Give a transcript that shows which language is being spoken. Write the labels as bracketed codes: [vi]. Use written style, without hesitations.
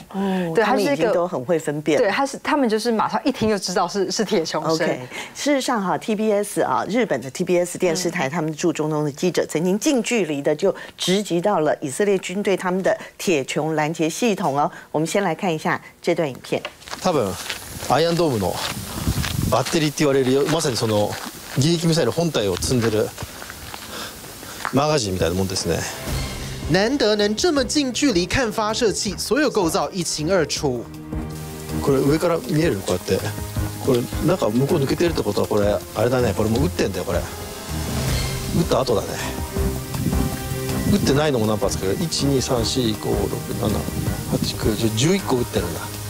[zh] 哦，对，他们已经都很会分辨。对，他们就是马上一听就知道是铁穹声。OK， 事实上哈 ，TBS 啊，日本的 TBS 电视台，他们驻中东的记者曾经近距离的就直击到了以色列军队他们的铁穹拦截系统哦。我们先来看一下这段影片。 [ja] 多分アイアンドームのバッテリーって言われるまさにその迎撃ミサイル本体を積んでる。 [zh] 难得能这么近距离看发射器，所有构造一清二楚。 [ja] これ上から見えるこうやって、これ中向こう抜けてるってことはこれあれだね、これもう撃ってんだよこれ。撃った後だね。撃ってないのも何発か、1、2、3、4、5、6、7、8、9、10、11個撃ってるんだ。